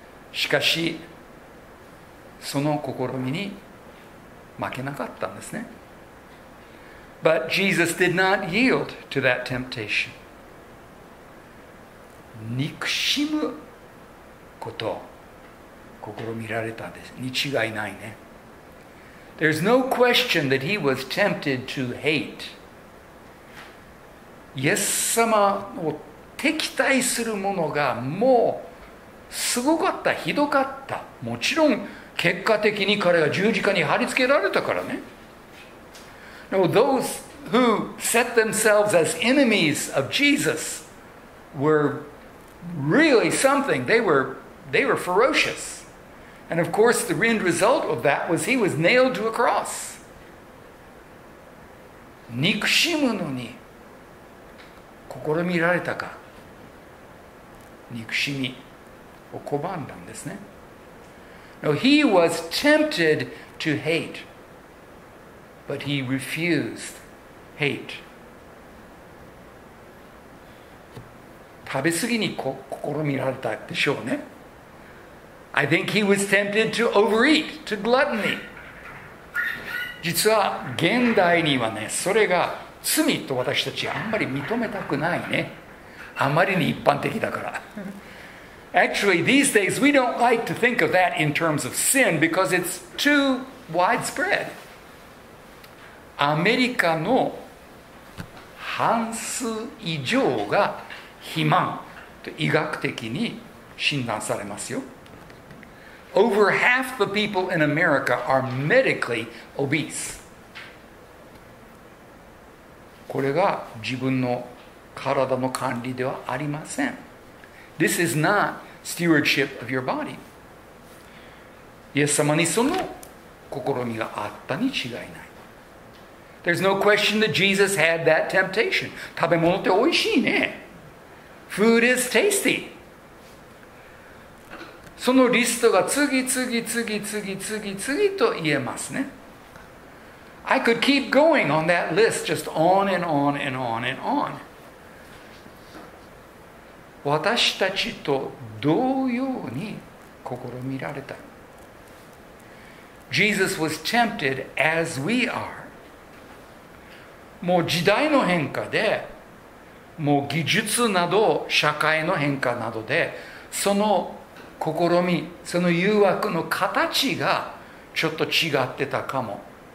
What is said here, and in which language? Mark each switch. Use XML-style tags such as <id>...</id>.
<ja>しかし、その試みに負けなかったんですね。</ja> <en>But Jesus did not yield to that temptation.</en> <ja>憎しむこと、試みられたんです。に違いないね。</ja> <en>There's no question that he was tempted to hate.</en> <ja>イエス様を敵対するものがもうすごかった、ひどかった。もちろん結果的に彼は十字架に貼り付けられたからね。</ja> <en>Now, those who set themselves as enemies of Jesus were really something. They were ferocious. And of course, the end result of that was he was nailed to a cross.</en> <ja>憎しむのに試みられたか。憎しみを拒んだんですね。</ja> <en>Now, he was tempted to hate, but he refused hate.</en> <ja>食べ過ぎに試みられたでしょうね。</ja> <en>I think he was tempted to overeat, to gluttony.</en> <ja>実は現代にはね、それが罪と私たちあんまり認めたくないね。あまりに一般的だから。</ja> <en>Actually, these days we don't like to think of that in terms of sin because it's too widespread.</en> <ja>アメリカの半数以上が肥満と医学的に診断されますよ。</ja> <en>Over half the people in America are medically obese.</en> <ja>これが自分の体の管理ではありません。</ja> <en>This is not stewardship of your body.</en> <ja>イエス様にその試みがあったに違いない。</ja> <en>There's no question that Jesus had that temptation.</en> <ja>食べ物っておいしいね。</ja> <en>Food is tasty.</en> <ja>そのリストが次々と言えますね。</ja> <en>I could keep going on that list just on and on and on and on.</en> <ja>私たちと同様に試みられた。</ja> <en>Jesus was tempted as we are.</en> <ja>もう時代の変化で、もう技術など社会の変化などで、その試み、その誘惑の形がちょっと違ってたかも。</ja>